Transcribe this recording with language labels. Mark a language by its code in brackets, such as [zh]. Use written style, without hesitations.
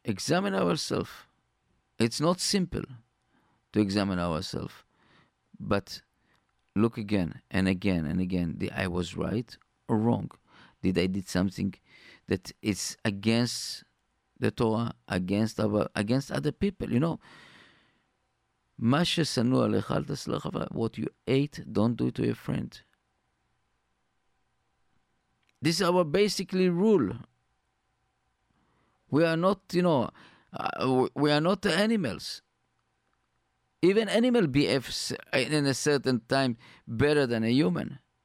[en] Examine ourselves. It's not simple to examine ourselves. But look again and again and again. Did I was right or wrong? Did I did something that is against the Torah, against other people? You know, [he] מה ששנוא עליך, אל תעשה לחברך. [en] What you ate, don't do it to your friend. This is our basically rule. We are not, you know, we are not animals. Even animal behaves in a certain time better than a human.